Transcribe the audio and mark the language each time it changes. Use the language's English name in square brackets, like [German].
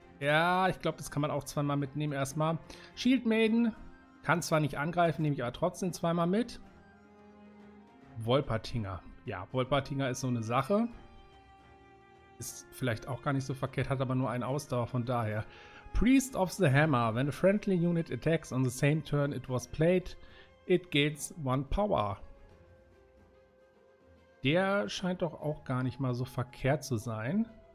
[German] Ja, ich glaube, das kann man auch zweimal mitnehmen erstmal. Shield Maiden. Kann zwar nicht angreifen, nehme ich aber trotzdem zweimal mit. Wolpertinger. Ja, Wolpertinger ist so eine Sache. Ist vielleicht auch gar nicht so verkehrt, hat aber nur einen Ausdauer, von daher. [English] Priest of the Hammer. When a friendly unit attacks on the same turn it was played, it gains one power. [German] Der scheint doch auch gar nicht mal so verkehrt zu sein.